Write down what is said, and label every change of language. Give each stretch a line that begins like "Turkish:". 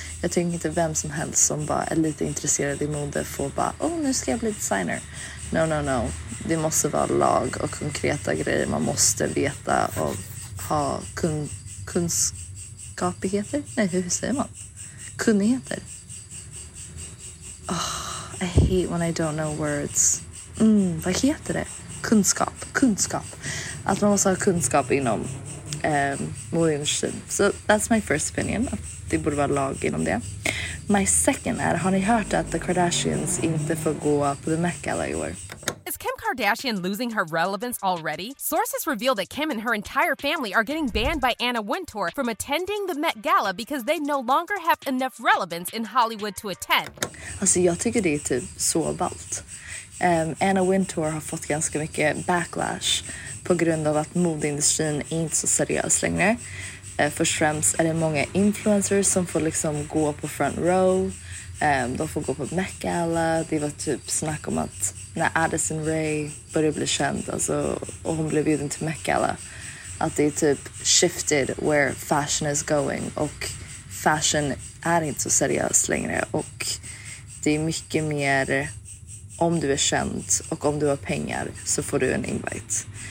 Swedish: Jag tycker inte vem som helst som bara är lite intresserad i mode får bara, nu ska jag bli designer.
English: No, no, no.
Swedish: Det måste vara lag och konkreta grejer man måste veta och ha kunskapigheter. Nej, hur säger man? Kunnigheter.
English: Oh, I hate when I don't know words.
Swedish: Mm, vad heter det? Kunskap. Kunskap. Att man måste ha kunskap inom målgivningstid.
English: So that's my first opinion.
Swedish: Det borde vara lag inom det.
English: My second
Swedish: är, har ni hört att the Kardashians inte får gå på The Met Gala i år?
English: Is Kim Kardashian losing her relevance already? Sources reveal that Kim and her entire family are getting banned by Anna Wintour from attending the Met Gala because they no longer have enough relevance in Hollywood to attend.
Swedish: Alltså, jag tycker det är typ så ballt. Anna Wintour har fått ganska mycket backlash på grund av att modeindustrin är inte så seriös längre. Först och främst är det många influencers som får liksom gå på front row. De får gå på Met Gala. Det var typ snack om att när Addison Rae började bli känd, alltså, och hon blev bjuden till Met Gala, att det är typ
English: shifted where fashion is going,
Swedish: och fashion är inte så seriös längre, och det är mycket mer om du är känd och om du har pengar så får du en invite.